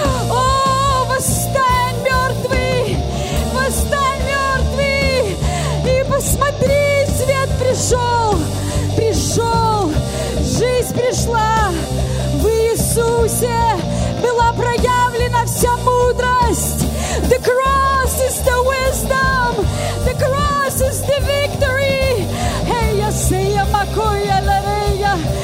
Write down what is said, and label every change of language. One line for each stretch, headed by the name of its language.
Russian: О, восстань, мертвый, восстань, мертвый, и посмотри, свет пришел. Пришел, жизнь пришла, в Иисусе была проявлена вся мудрость.
English: The cross is the wisdom, the cross is the victory. Hey, я сия макуя ларея.